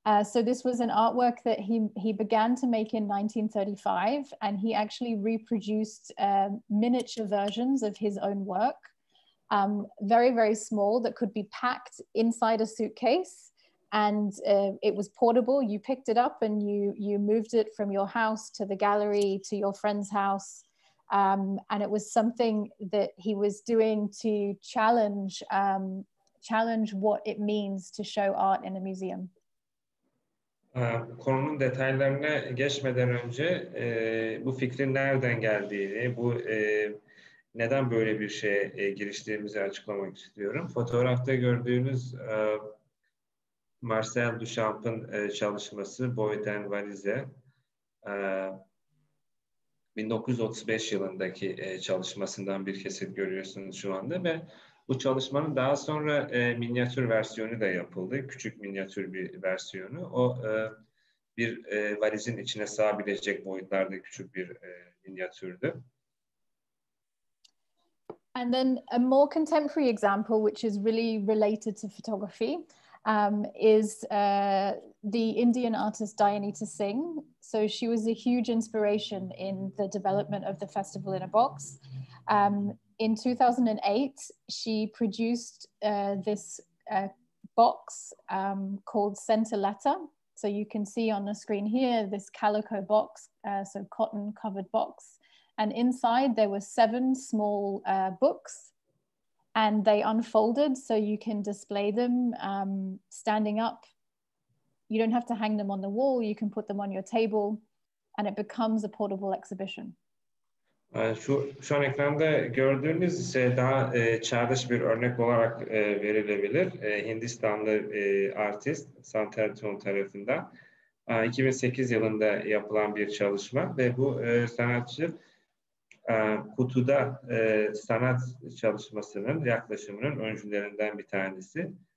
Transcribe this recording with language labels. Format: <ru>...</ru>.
<en>So this was an artwork that he began to make in 1935, and he actually reproduced miniature versions of his own work, very, very small, that could be packed inside a suitcase, and it was portable. You picked it up and you moved it from your house to the gallery, to your friend's house. And it was something that he was doing to challenge what it means to show art in a museum.</en> <tr>Konunun detaylarına geçmeden önce bu fikrin nereden geldiğini, bu neden böyle bir şeye giriştiğimizi açıklamak istiyorum. Fotoğrafta gördüğünüz Marcel Duchamp'ın çalışması Boyden Valize. 1935 yılındaki çalışmasından bir kesit görüyorsunuz şu anda ve bu çalışmanın daha sonra minyatür versiyonu da yapıldı. Küçük minyatür bir versiyonu. O bir valizin içine sığabilecek boyutlarda küçük bir minyatürdü.</tr> <en>And then a more contemporary example, which is really related to photography, is the Indian artist Dianita Singh. So she was a huge inspiration in the development of the festival in a box. In 2008, she produced this box called Center Letter. So you can see on the screen here, this calico box, so cotton covered box. And inside there were seven small books, and they unfolded so you can display them standing up. You don't have to hang them on the wall, you can put them on your table, and it becomes a portable exhibition.</en> <tr>Şu an ekranda gördüğünüz ise daha çağdaş bir örnek olarak verilebilir. Hindistanlı artist Santerton tarafından 2008 yılında yapılan bir çalışma ve bu sanatçı kutuda sanat çalışmasının yaklaşımının öncülerinden bir tanesi.</tr>